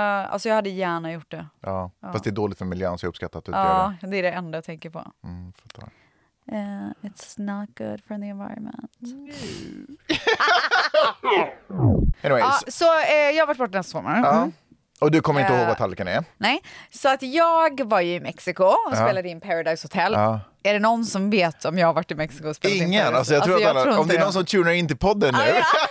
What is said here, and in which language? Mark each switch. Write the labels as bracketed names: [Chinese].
[Swedish] Alltså jag hade gärna gjort det. Ja, ja. Fast det är dåligt för miljön, så jag uppskattar att du gör det. Ja, det är det enda jag tänker på. Mm, fattar. [English] It's not good for the environment. Anyways. [Swedish] Jag har varit borta nästa sommar. Ja. Och du kommer inte ihåg vad tallriken är? Nej, så att jag var ju i Mexiko och spelade in Paradise Hotel. Ja. Är det någon som vet om jag har varit i Mexiko och spelat ingen, in Paradise? Ingen, alltså jag tror alltså, att alla, om det är någon som tunar in till podden nu.